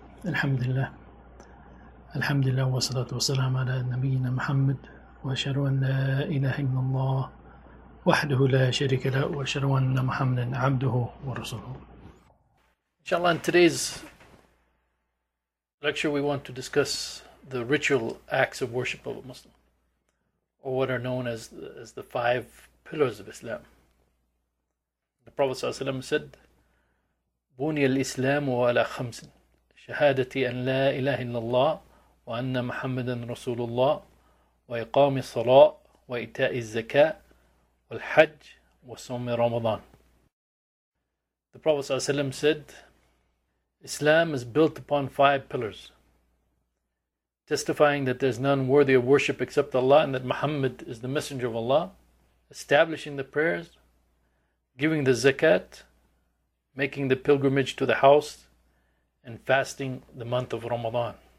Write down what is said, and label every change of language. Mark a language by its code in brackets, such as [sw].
[ar] الحمد لله الحمد لله والصلاة والسلام على نبينا محمد، وأشهد أن لا إله إلا الله وحده لا شريك له، وأشهد أن محمدا عبده ورسوله. [en] إن شاء الله in today's lecture we want to discuss the ritual acts of worship of a Muslim, or what are known as the five pillars of Islam. The Prophet [ar] صلى الله عليه وسلم said بني الإسلام على خمس: شهادة أن لا إله إلا الله وأن محمدا رسول الله وإقام الصلاة وإيتاء الزكاة والحج وصوم رمضان. [en] The Prophet صلى الله عليه وسلم said Islam is built upon five pillars, testifying that there's none worthy of worship except Allah and that Muhammad is the messenger of Allah, establishing the prayers, giving the zakat, making the pilgrimage to the house, and fasting the month of Ramadan.